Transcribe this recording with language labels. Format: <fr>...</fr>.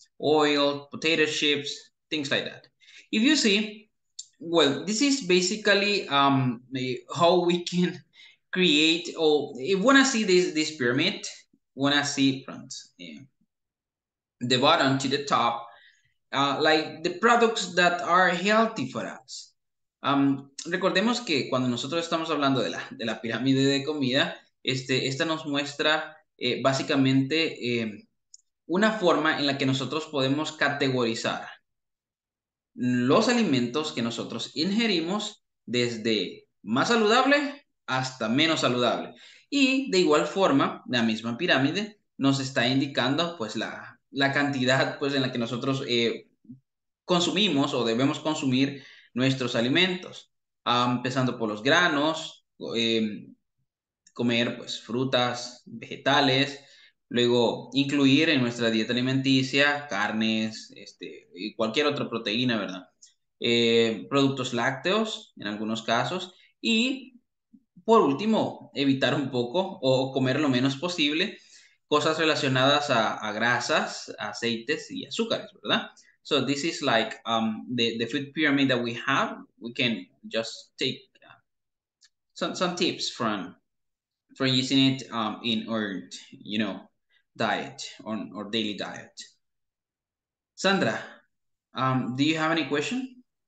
<en>Oil, potato chips, things like that. If you see, well, this is basically how we can create, or if we want to see this pyramid, we want to see from the bottom to the top, like the products that are healthy for us.</en> <es>Recordemos que cuando nosotros estamos hablando de la pirámide de comida, esta nos muestra básicamente una forma en la que nosotros podemos categorizar los alimentos que nosotros ingerimos desde más saludable hasta menos saludable. Y de igual forma, la misma pirámide nos está indicando pues la cantidad pues en la que nosotros consumimos o debemos consumir nuestros alimentos, empezando por los granos, comer pues frutas, vegetales, luego incluir en nuestra dieta alimenticia carnes, y cualquier otra proteína, ¿verdad? Productos lácteos en algunos casos, y por último, evitar un poco o comer lo menos posible cosas relacionadas a grasas, aceites y azúcares, ¿verdad?</es> <en>So this is like the food pyramid that we have. We can just take some tips from using it in our, you know, diet or daily diet. Sandra, do you have any question?</en>